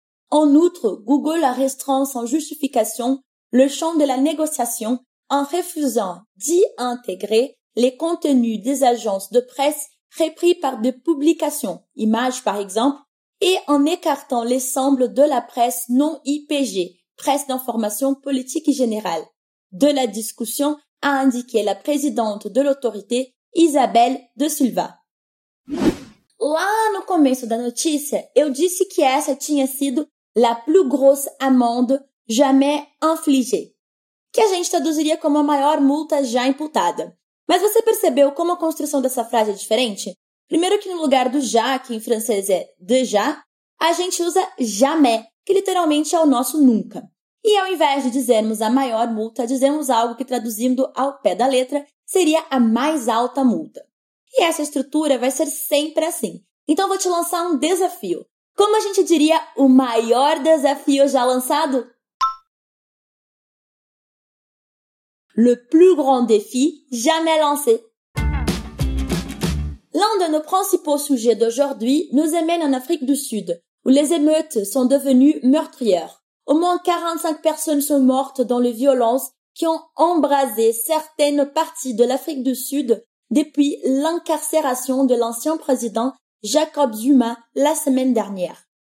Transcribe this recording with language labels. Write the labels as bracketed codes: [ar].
[fr] En outre, Google a restreint sans justification le champ de la négociation en refusant d'y intégrer les contenus des agences de presse repris par des publications, images par exemple, et en écartant l'ensemble de la presse non IPG, presse d'information politique et générale, de la discussion a indiqué la présidente de l'autorité, Isabelle De Silva. [pt] Lá no começo da notícia, eu disse que essa tinha sido [fr] la plus grosse amende jamais infligée, [pt] que a gente traduziria como a maior multa já imputada. Mas você percebeu como a construção dessa frase é diferente? Primeiro que no lugar do já, que em francês é déjà, a gente usa jamais, que literalmente é o nosso nunca. E ao invés de dizermos a maior multa, dizemos algo que traduzindo ao pé da letra seria a mais alta multa. E essa estrutura vai ser sempre assim. Então vou te lançar um desafio. Como a gente diria o maior desafio já lançado? [fr] Le plus grand défi jamais lancé. L'un de nos principaux sujets d'aujourd'hui nous amène en Afrique du Sud, où les émeutes sont devenues meurtrières. Au moins 45 personnes sont mortes dans les violences qui ont embrasé certaines parties de l'Afrique du Sud depuis l'incarcération de l'ancien président Jacob Zuma la semaine dernière.